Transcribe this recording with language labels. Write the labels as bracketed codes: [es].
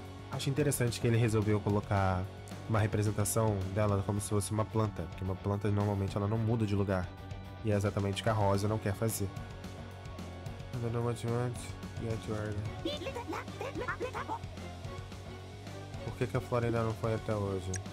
[pt] Acho interessante que ele resolveu colocar uma representação dela como se fosse uma planta, porque uma planta normalmente ela não muda de lugar. E é exatamente o que a Rosa não quer fazer. [en] I don't know what you want, yet you are. [pt] Por que, que a Flora ainda não foi até hoje?